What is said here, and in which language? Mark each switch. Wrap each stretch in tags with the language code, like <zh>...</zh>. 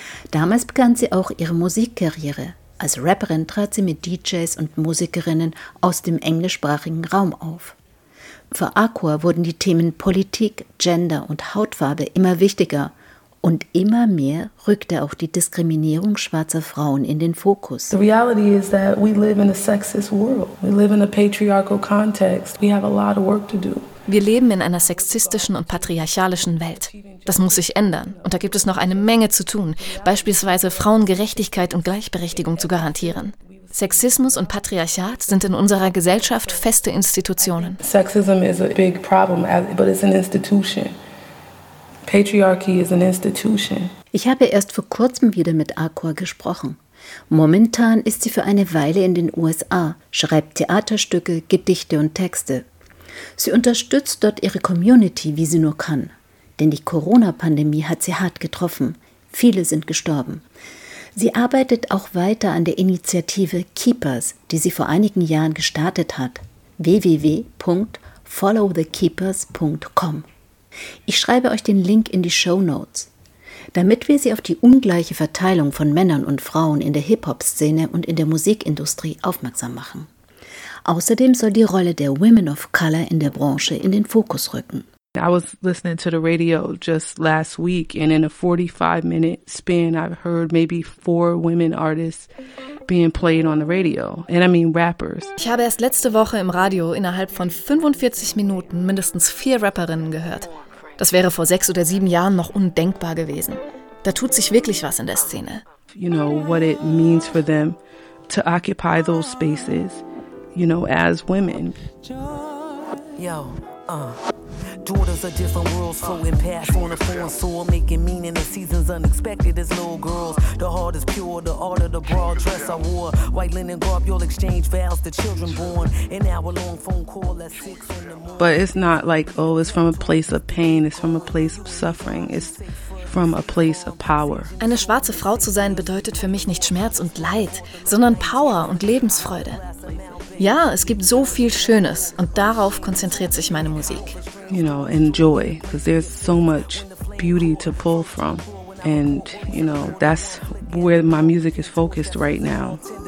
<de>Damals begann sie auch ihre Musikkarriere. Als Rapperin trat sie mit DJs und Musikerinnen aus dem englischsprachigen Raum auf. Für Akur wurden die Themen Politik, Gender und Hautfarbe immer wichtiger. Und immer mehr rückte auch die Diskriminierung schwarzer Frauen in den Fokus.</de> <en>The reality is that we live in a sexist world. We live in a patriarchal context. We have a lot of work to do.</en> <de>Wir leben in einer sexistischen und patriarchalischen Welt. Das muss sich ändern. Und da gibt es noch eine Menge zu tun, beispielsweise Frauengerechtigkeit und Gleichberechtigung zu garantieren. Sexismus und Patriarchat sind in unserer Gesellschaft feste Institutionen.</de> <en>Sexism is a big problem, but it's an institution. Patriarchy is an institution.</en> <de>Ich habe erst vor kurzem wieder mit Akur gesprochen. Momentan ist sie für eine Weile in den USA, schreibt Theaterstücke, Gedichte und Texte. Sie unterstützt dort ihre Community, wie sie nur kann. Denn die Corona-Pandemie hat sie hart getroffen. Viele sind gestorben. Sie arbeitet auch weiter an der Initiative Keepers, die sie vor einigen Jahren gestartet hat. www.followthekeepers.com. Ich schreibe euch den Link in die Shownotes. Damit wir sie auf die ungleiche Verteilung von Männern und Frauen in der Hip-Hop-Szene und in der Musikindustrie aufmerksam machen. Außerdem soll die Rolle der Women of Color in der Branche in den Fokus rücken.</de> <en>I was listening to the radio just last week and in a 45-minute span I've heard maybe 4 women artists being played on the radio. And I mean rappers.</en> <de>Ich habe erst letzte Woche im Radio innerhalb von 45 Minuten mindestens 4 Rapperinnen gehört. Das wäre vor 6 oder 7 Jahren noch undenkbar gewesen. Da tut sich wirklich was in der Szene.</de> <en>You know what it means for them to occupy those spaces. You know, as women. Yo, daughters of different worlds flowing past on a foreign soil, making meaning the seasons unexpected as little girls. The heart is pure, the art of the broad dress I wore. White linen garb, you'll exchange vows, the children born. An hour long phone call at 6 in the morning. But it's not like, oh, it's from a place of pain, it's from a place of suffering, it's from a place of power.</en> <de>Eine schwarze Frau zu sein bedeutet für mich nicht Schmerz und Leid, sondern Power und Lebensfreude. Ja, es gibt so viel Schönes und darauf konzentriert sich meine Musik.</de> <en>You know, enjoy, because there's so much beauty to pull from. And, you know, that's where my music is focused right now.</en>